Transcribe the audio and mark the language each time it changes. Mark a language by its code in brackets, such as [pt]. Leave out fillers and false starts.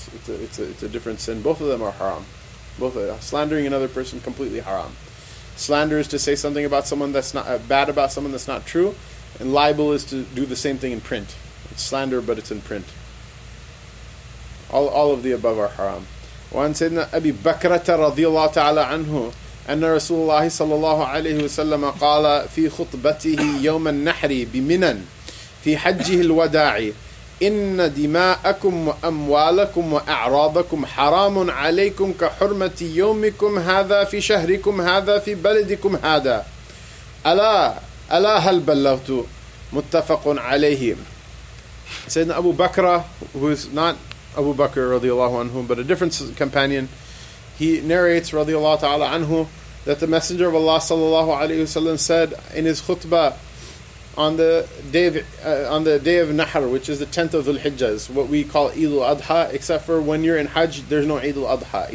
[en] It's a different sin. Both of them are haram. Slandering another person, completely haram. Slander is to say something about someone that's not bad about someone that's not true. And libel is to do the same thing in print. It's slander, but it's in print. All of the above are haram. [ar] وعن سيدنا أبي بكرة رضي الله تعالى عنه أن رسول الله صلى الله عليه وسلم قال في خطبته يوم النحر بمنن في حجه الوداع إن دماءكم وأموالكم وأعراضكم حرام عليكم كحرمة يومكم هذا في شهركم هذا في بلدكم هذا ألا هل بلغت متفق عليه. [en] سيدنا أبو بكرة, who is not Abu Bakr radiallahu anhu, but a different companion, he narrates radiallahu ta'ala anhu that the Messenger of Allah sallallahu alayhi wasallam said in his khutbah on the day of Nahr, which is the 10th of Dhul-Hijjah, is what we call Eid al-Adha, except for when you're in Hajj, there's no Eid al-Adha.